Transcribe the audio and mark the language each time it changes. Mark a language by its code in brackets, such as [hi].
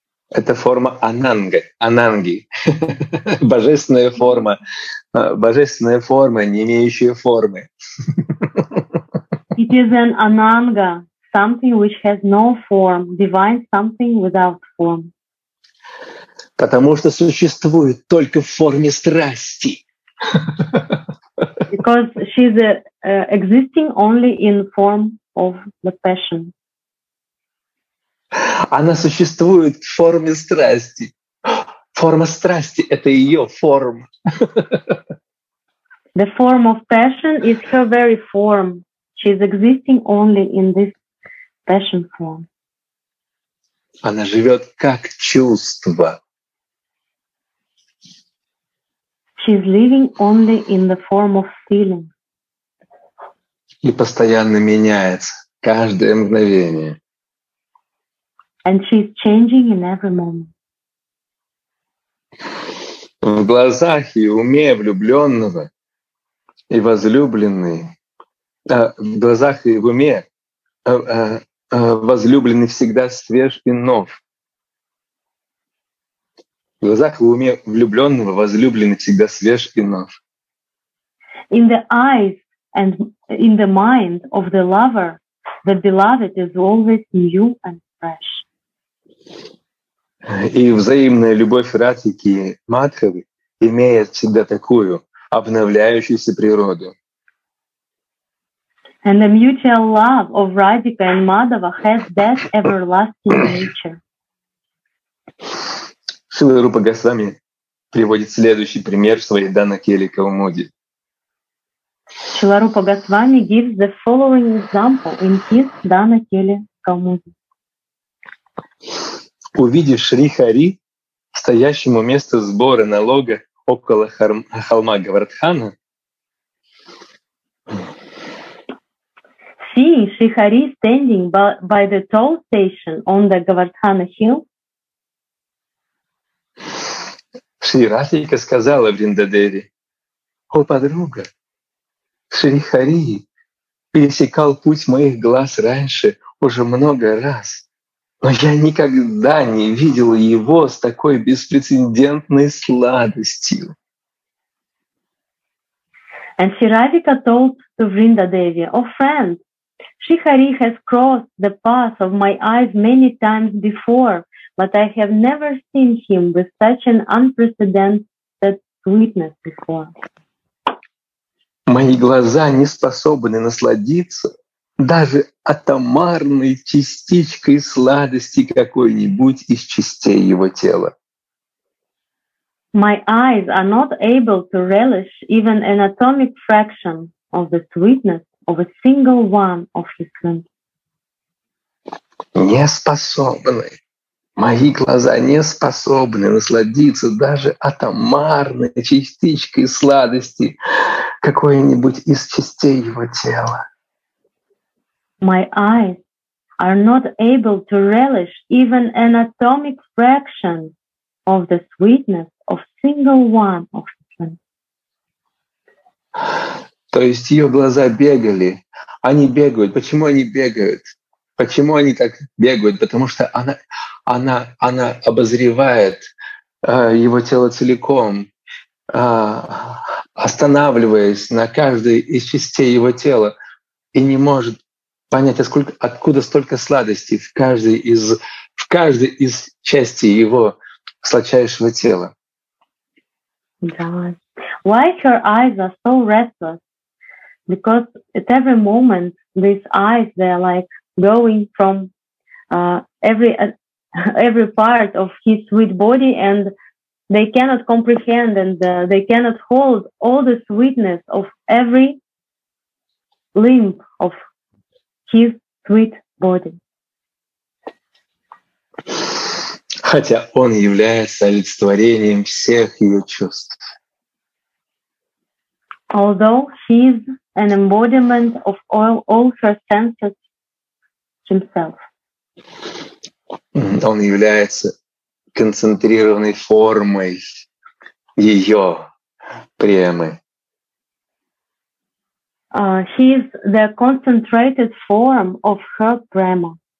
[ru] Это форма ананга, ананги. Божественная форма, не имеющая формы. [en] It is an ananga, something which has no form, divine something without form. [ru] Потому что существует только в форме страсти. [en] Because she is existing only in form of the passion. [ru] Она существует в форме страсти. Форма страсти — это ее форма. [en] The form of passion is her very form. She is existing only in this passion form. [ru] Она живет как чувство. [en] She is living only in the form of feeling. [ru] И постоянно меняется каждое мгновение. [en] And she is changing in every moment. [ru] В глазах и уме влюбленного и возлюбленный, в глазах и в уме возлюбленный всегда свеж и нов. В глазах и в уме влюбленного возлюбленный всегда свеж и нов. [en] In the eyes and in the mind of the lover, the beloved is always new and fresh. [ru] И взаимная любовь Радхики и Мадхавы имеет всегда такую обновляющуюся природу. [en] And the mutual love of Radhika and Madhava has that everlasting nature. [ru] Шрила Рупа Госвами приводит следующий пример в своей Данакели Каумуди. [en] Шрила Рупа Госвами gives the following example in his Данакели Каумуди. [ru] Увидев Шри Хари, стоящему место сбора налога около холма Гавардхана, [en] seeing Shri Hari standing by the toll station on the Gavardhana hill, [ru] Шри Радхика сказала Вриндадеве: «О, подруга, Шри Хари пересекал путь моих глаз раньше уже много раз. Но я никогда не видел его с такой беспрецедентной сладостью. [en] And Sri Radhika told to Vrindadevi, "Oh friend, Sri Hari has crossed the path of my eyes many times before, but I have never seen him with such an unprecedented sweetness before." [ru] Мои глаза не способны насладиться даже атомарной частичкой сладости какой-нибудь из частей его тела. [en] My eyes are not able to relish even an atomic fraction of the sweetness of a single one of his limbs. [ru] Не способны. Мои глаза не способны насладиться даже атомарной частичкой сладости какой-нибудь из частей его тела. [en] My eyes are not able to relish even an atomic fraction of the sweetness of single one of them. [ru] То есть ее глаза бегали. Они бегают. Почему они бегают? Почему они так бегают? Потому что она обозревает его тело целиком, останавливаясь на каждой из частей его тела и не может понять, откуда столько сладости в каждой из частей его сладчайшего тела. [en] God. Why her eyes are so restless? Because at every moment these eyes they are like going from every part of his sweet body and they cannot comprehend and they cannot hold all the sweetness of every limb of his sweet body. [ru] Хотя он является олицетворением всех ее чувств. [en] Although he is an embodiment of all her senses himself. [ru] Он является концентрированной формой ее премы. [en] He is the concentrated form of her prema.